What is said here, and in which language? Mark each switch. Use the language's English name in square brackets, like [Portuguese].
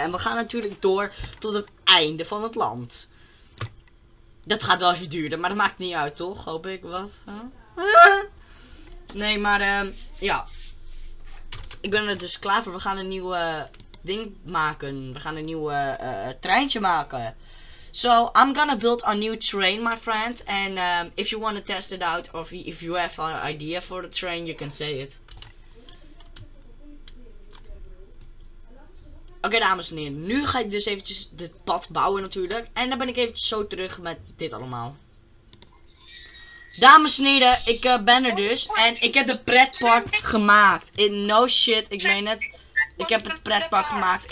[Dutch] En we gaan natuurlijk door tot het einde van het land. Dat gaat wel even duurder, maar dat maakt niet uit, toch? Hoop ik wat. Huh? Nee, maar ja. Ik ben er dus klaar voor. We gaan een nieuwe ding maken. We gaan een nieuwe treintje maken. [English] So, I'm gonna build a new train, my friend. And if you wanna test it out, or if you have an idea for the train, you can say it. [Dutch] Oké, dames en heren. Nu ga ik dus eventjes dit pad bouwen natuurlijk. En dan ben ik eventjes zo terug met dit allemaal. Dames en heren, ik ben er dus. En ik heb de pretpark gemaakt. [English] In no shit, [Dutch] ik meen het. Ik heb het pretpark gemaakt.